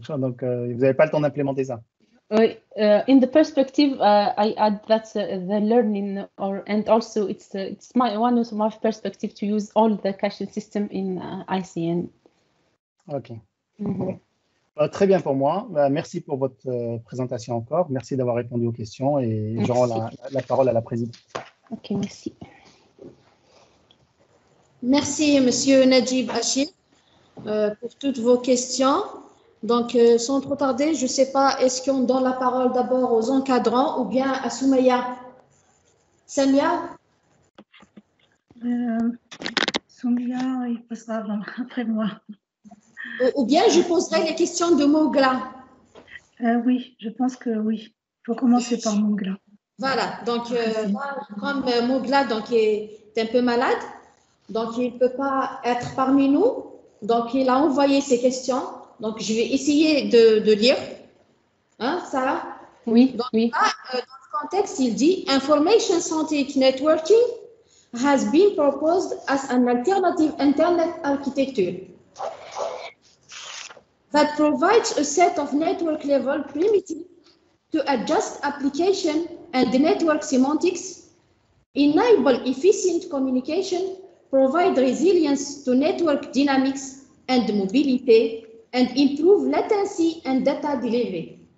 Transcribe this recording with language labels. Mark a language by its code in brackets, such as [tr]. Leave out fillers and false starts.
[fr] Donc vous n'avez pas le temps d'implémenter ça. Oui. [en] In the perspective, I add that the learning or and also it's my one of my perspective to use all the caching system in ICN. [fr] Ok. Mm-hmm. Bon. Très bien pour moi. Merci pour votre présentation encore. Merci d'avoir répondu aux questions et je rends la parole à la présidente. Ok, merci. Merci, Monsieur Najib Achille, pour toutes vos questions. Donc, sans trop tarder, je ne sais pas, est-ce qu'on donne la parole d'abord aux encadrants ou bien à Soumaya? Samia? Soumaya, il passera après moi. Ou bien je poserai les questions de Mougla. Oui, je pense que oui. Il faut commencer par Mougla. Voilà, donc moi, comme Mougla donc, est un peu malade, donc il ne peut pas être parmi nous, donc il a envoyé ses questions, donc je vais essayer de lire. Hein, Sarah? Oui, donc, oui. Là, dans ce contexte, il dit [en] « Information Scientific Networking has been proposed as an alternative Internet architecture that provides a set of network level primitives to adjust application and the network semantics, enable efficient communication, provide resilience to network dynamics and mobility, and improve latency and data delivery.